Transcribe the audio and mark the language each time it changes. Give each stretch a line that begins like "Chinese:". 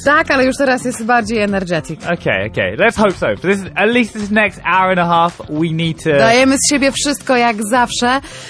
Polish: Tak, ale już teraz jest bardziej energetic.
English: Okay. Let's hope so. For this, at least this next hour and a half, we need to...
Polish: Dajemy z siebie wszystko, jak zawsze.